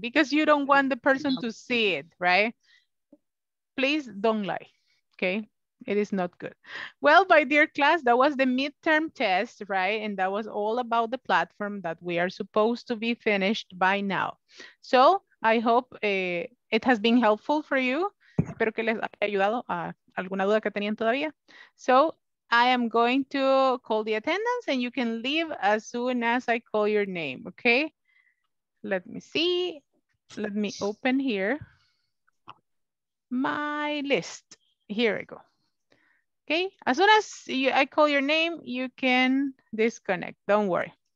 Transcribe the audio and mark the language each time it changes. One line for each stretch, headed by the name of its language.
English: because you don't want the person to see it, right? Please don't lie, okay? It is not good. Well, my dear class, that was the midterm test, right? And that was all about the platform that we are supposed to be finished by now. So I hope it has been helpful for you.
Spanish: Espero que les haya ayudado a alguna duda que tenían todavía.
English: So I am going to call the attendance and you can leave as soon as I call your name, okay? Let me see. Let me open here my list. Here we go. Okay, as soon as I call your name, you can disconnect, don't worry.